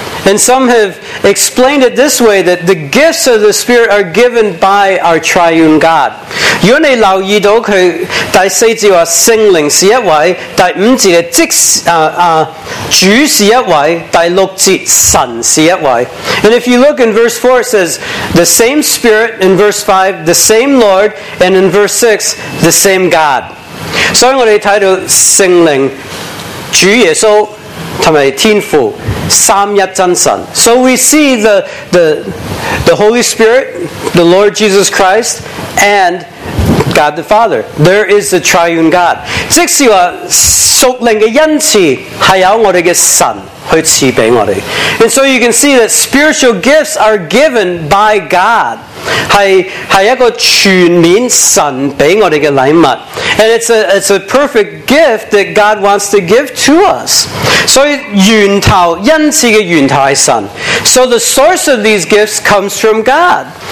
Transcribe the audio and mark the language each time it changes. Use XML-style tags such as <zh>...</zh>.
<en>And some have explained it this way, that the gifts of the Spirit are given by our triune God.</en> <zh>如果你留意到他第四节说圣灵是一位，第五节即主是一位，第六节神是一位。</zh> <en>And if you look in verse 4, it says the same Spirit, in verse 5, the same Lord, and in verse 6, the same God.</en> <zh>所以我们看到圣灵、主耶稣和天父三一真神。</zh> <en>So we see the Holy Spirit, the Lord Jesus Christ, and God the Father. There is the triune God.</en> <zh>即使说属灵的恩赐是由我们的神去赐给我们。</zh> <en>And so you can see that spiritual gifts are given by God.</en> <zh>是一个全面神给我们的礼物。</zh> <en>And it's a perfect gift that God wants to give to us.</en> <zh>所以源头，恩赐的源头是神。</zh> <en>So the source of these gifts comes from God.</en>